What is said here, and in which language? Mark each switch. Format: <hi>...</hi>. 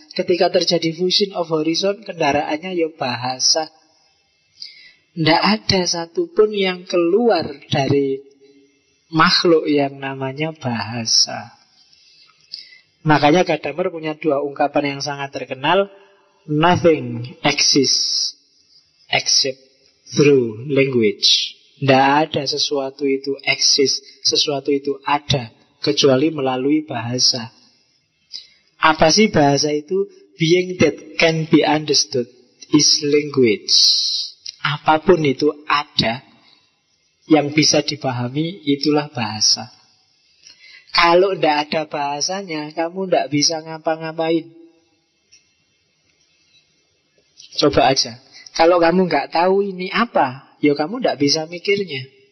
<id>Ketika terjadi fusion of horizon, kendaraannya ya bahasa. Tidak ada satupun yang keluar dari makhluk yang namanya bahasa. Makanya Gadamer punya dua ungkapan yang sangat terkenal.</id> <en>Nothing exists except through language.</en> <id>Tidak ada sesuatu itu exist, sesuatu itu ada, kecuali melalui bahasa. Apa sih bahasa itu?</id> <en>Being that can be understood is language.</en> <id>Apapun itu ada, yang bisa dipahami, itulah bahasa. Kalau tidak ada bahasanya, kamu tidak bisa ngapa-ngapain. Coba aja. Kalau kamu tidak tahu ini apa, ya kamu tidak bisa mikirnya.</id>